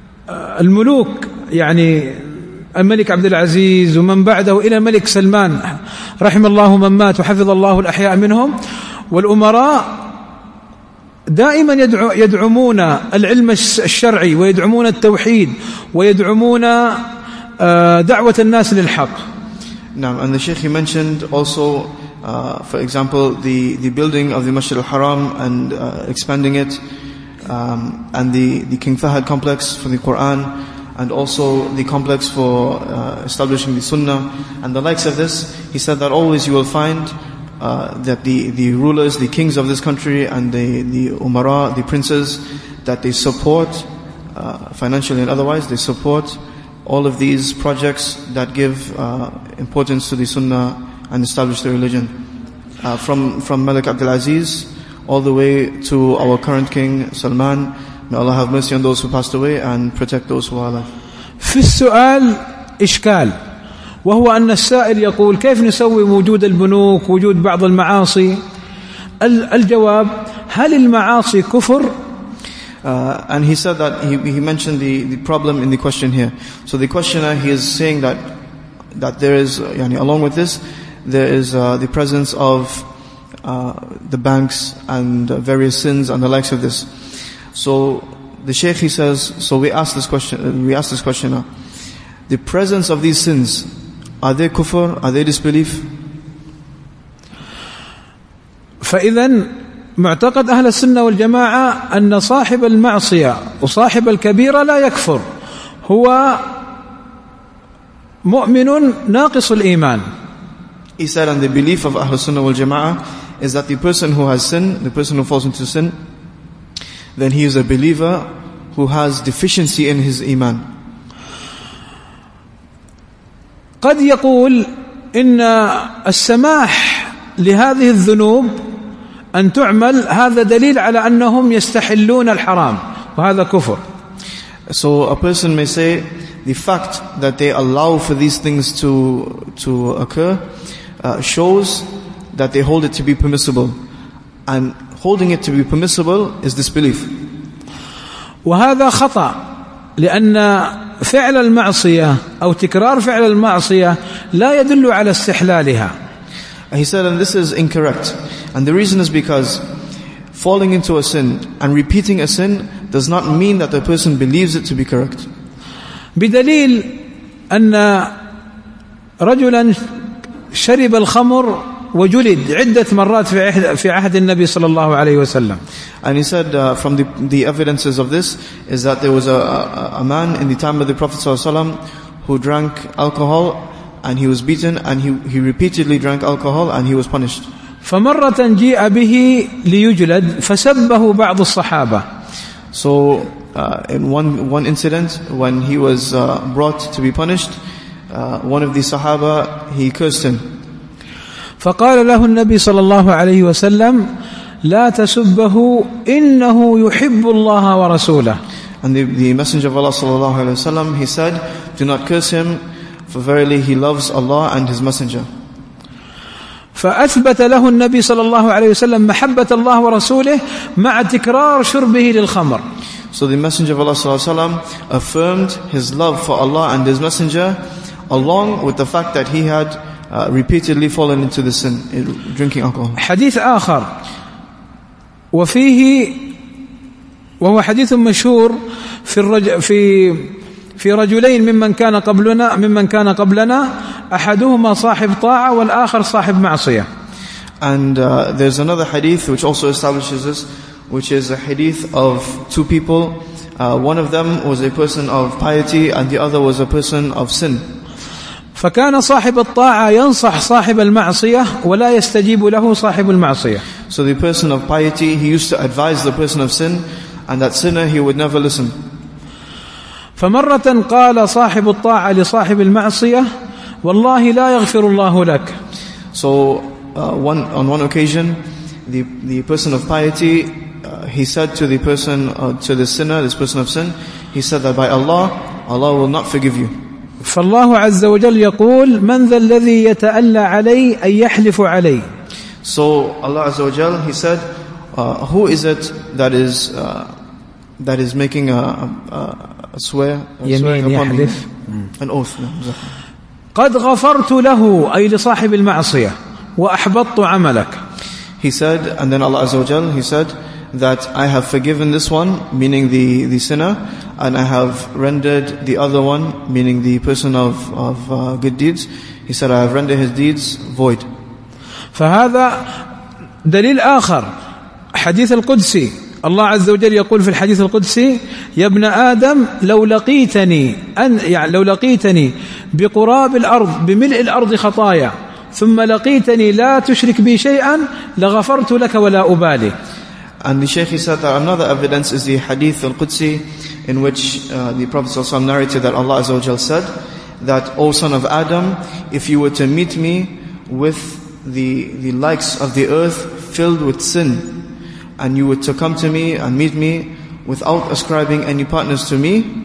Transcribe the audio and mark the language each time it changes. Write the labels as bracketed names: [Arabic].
[Arabic] الملوك يعني الملك عبد العزيز ومن بعده إلى الملك سلمان رحم الله من مات وحفظ الله الأحياء منهم، والأمراء دائما يدعمون العلم الشرعي ويدعمون التوحيد ويدعمون دعوة الناس للحق. نعم. [English] And the Sheikh, he mentioned also for example the building of the Masjid al-Haram and expanding it, and the King Fahad complex for the Quran, and also the complex for establishing the Sunnah and the likes of this. He said that always you will find that the rulers, the kings of this country, and the umara, the princes, that they support financially and otherwise, they support all of these projects that give importance to the sunnah and establish the religion, from Malik Abdul Aziz all the way to our current king Salman. May Allah have mercy on those who passed away and protect those who are alive. [Arabic] في السؤال إشكال، وهو أن السائل يقول كيف نسوي وجود البنوك وجود بعض المعاصي؟ الجواب هل المعاصي كفر؟ [English] And he said that he mentioned the problem in the question here. So the questioner, he is saying that there is yani along with this there is the presence of the banks and various sins and the likes of this. So the Shaykh, he says, so we ask this questioner, the presence of these sins, are they kufr, are they disbelief? [Arabic] فإذن معتقد أهل السنة والجماعة أن صاحب المعصية وصاحب الكبيرة لا يكفر، هو مؤمن ناقص الإيمان. [English] He said, and the belief of Ahl Sunnah wal Jama'ah is that the person who has sin, the person who falls into sin, then he is a believer who has deficiency in his iman. [Arabic] قد يقول إن السماح لهذه الذنوب أن تعمل هذا دليل على أنهم يستحلون الحرام وهذا كفر. [English] So a person may say the fact that they allow for these things to occur shows that they hold it to be permissible, and holding it to be permissible is disbelief. [Arabic] وهذا خطأ، لأن فعل المعصية أو تكرار فعل المعصية لا يدل على استحلالها. [English] He said, and this is incorrect. And the reason is because falling into a sin and repeating a sin does not mean that the person believes it to be correct. [Arabic] بدليل أن رجلا شرب الخمر وجلد عدة مرات في عهد النبي صلى الله عليه وسلم. [English] And he said, from the evidences of this is that there was a man in the time of the Prophet [Arabic] صلى الله عليه وسلم [English] who drank alcohol and he was beaten and he repeatedly drank alcohol and he was punished. [Arabic] فمرة جاء به ليجلد فسبه بعض الصحابة. [English] So in one incident when he was brought to be punished, one of the Sahaba, he cursed him. [Arabic] فقال له النبي صلى الله عليه وسلم لا تسبه إنه يحب الله ورسوله. [English] And the Messenger of Allah [Arabic] صلى الله عليه وسلم, [English] he said, do not curse him, for verily he loves Allah and his Messenger. [Arabic] فأثبت له النبي صلى الله عليه وسلم محبة الله ورسوله مع تكرار شربه للخمر. [English] So the Messenger of Allah [Arabic] صلى الله عليه وسلم [English] affirmed his love for Allah and his Messenger along with the fact that he had repeatedly fallen into the sin, drinking alcohol. [Arabic] حديث آخر وفيه وهو حديث مشهور في رجلين ممن كان قبلنا أحدهما صاحب طاعة والآخر صاحب معصية. [English] And there's another hadith which also establishes this, which is a hadith of two people. One of them was a person of piety and the other was a person of sin. [Arabic] فكان صاحب الطاعة ينصح صاحب المعصية ولا يستجيب له صاحب المعصية. [English] So the person of piety, he used to advise the person of sin, and that sinner, he would never listen. [Arabic] فمرة قال صاحب الطاعة لصاحب المعصية والله لا يغفر الله لك. [English] So on one occasion the person of piety he said to the person to the sinner, this person of sin, he said that by Allah will not forgive you. [Arabic] فالله عز وجل يقول من ذا الذي يتألى علي أن يحلف علي. [English] So Allah [Arabic] عز وجل, [English] he said, who is it that is making a swear, upon يحلف. An oath. [Arabic] قد غفرت له أي لصاحب المعصية وأحبطت عملك. [English] He said, and then Allah [Arabic] Azza wa Jal, [English] he said that I have forgiven this one, meaning the sinner, and I have rendered the other one, meaning the person of good deeds. He said, I have rendered his deeds void. [Arabic] فهذا دليل آخر. حديث القدسي. الله عز وجل يقول في الحديث القدسي يا ابن آدم لو لقيتني أن يعني لو لقيتني بقراب الأرض بملء الأرض خطايا ثم لقيتني لا تشرك بي شيئا لغفرت لك ولا أبالي. [English] And the Shaykh said that another evidence is the hadith al-Qudsi in which the Prophet [Arabic] صلى الله عليه وسلم [English] narrated that Allah [Arabic] عز وجل [English] said that O son of Adam, if you were to meet me with the likes of the earth filled with sin, and you were to come to me and meet me without ascribing any partners to me,